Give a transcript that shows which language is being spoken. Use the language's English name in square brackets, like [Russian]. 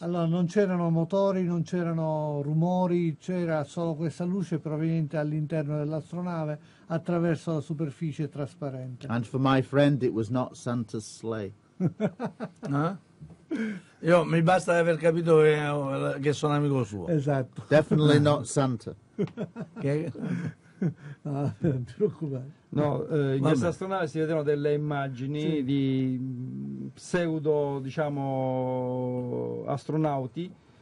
[Italian] Allora, non c'erano motori, non c'erano rumori, c'era solo questa luce proveniente all'interno dell'astronave attraverso la superficie trasparente. [English] And for my friend, it was not Santa's sleigh. Huh? [Italian] Io mi basta aver capito che sono amico suo. Esatto. [English] Definitely not Santa. [Italian] Che? No, non ti preoccupare. No, in questa astronave si vedono delle immagini sì. di pseudo, diciamo, astronauti.